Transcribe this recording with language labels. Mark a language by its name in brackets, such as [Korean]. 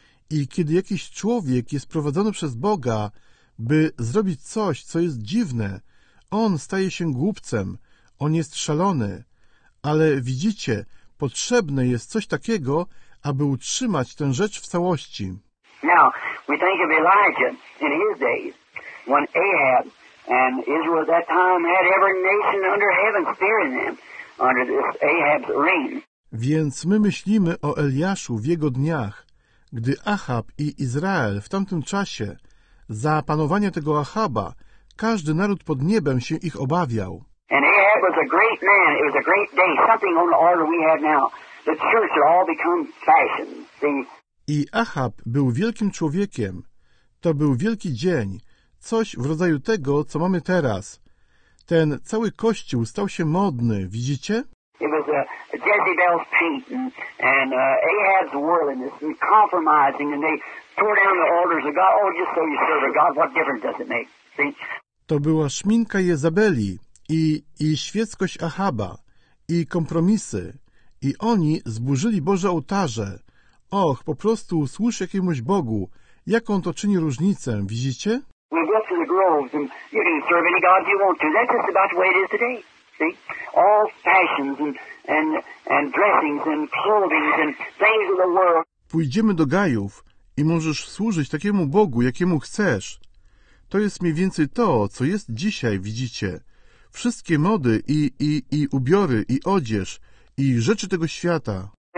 [Polish] I kiedy jakiś człowiek jest prowadzony przez Boga, by zrobić coś, co jest dziwne, on staje się głupcem, on jest szalony. Ale widzicie, potrzebne jest coś takiego, aby utrzymać tę rzecz w całości. [English] Now, we think of Elijah in his days, when Ahab and Israel at that time had every nation under heaven fearing them under this Ahab's reign. [Polish] Więc my myślimy o Eliaszu w jego dniach, gdy Ahab i Izrael w tamtym czasie za panowanie tego Achaba każdy naród pod niebem się ich obawiał. [English] And Ahab was a great man. It was a great day. Something on the order we have now. The church had all become fashion. See? [Polish] I Achab był wielkim człowiekiem. To był wielki dzień. Coś w rodzaju tego, co mamy teraz. Ten cały kościół stał się modny. Widzicie? [English] It was a Jezebel's paint and Ahab's worldliness and compromising and they tore down the altars of God. Oh, just so you serve God, what difference does it make? See? [Polish] To była szminka Jezabeli i świeckość Achaba, i kompromisy, i oni zburzyli Boże ołtarze. Och, po prostu słusz jakiemuś Bogu, jaką to czyni różnicę, widzicie? [English] Well, go to the groves and you can serve any god you want to. That's just about the way it is today. See? All fashions and dressings and clothing and things of the world. [Polish] Pójdziemy do gajów i możesz służyć takiemu Bogu, jakiemu chcesz. To jest mniej więcej to, co jest dzisiaj, widzicie. Wszystkie mody i ubiory, i odzież, i rzeczy tego świata.